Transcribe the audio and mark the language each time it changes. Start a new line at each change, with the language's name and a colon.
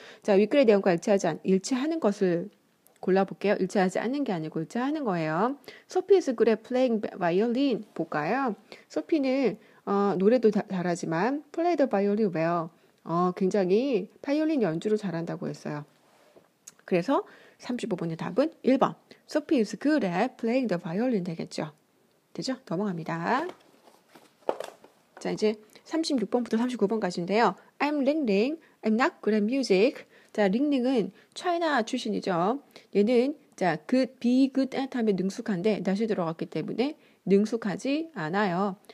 Korean: 자, 윗글의 내용과 일치하는 것을 골라볼게요. 일치하지 않는 게 아니고 일치하는 거예요.
English: Sophie is good at playing violin.
Korean: 볼까요? 소피는 노래도 잘하지만
English: play the violin well.
Korean: 굉장히 바이올린 연주를 잘한다고 했어요. 그래서 35번의 답은 1번.
English: Sophie is good at playing the violin 되겠죠.
Korean: 되죠? 넘어갑니다. 자, 이제 36번부터 39번까지인데요.
English: I'm Ling Ling. I'm not good at music.
Korean: 자, Ling Ling은 차이나 출신이죠. 얘는 자,
English: good, be good at
Korean: 하면 능숙한데 다시 들어갔기 때문에 능숙하지 않아요.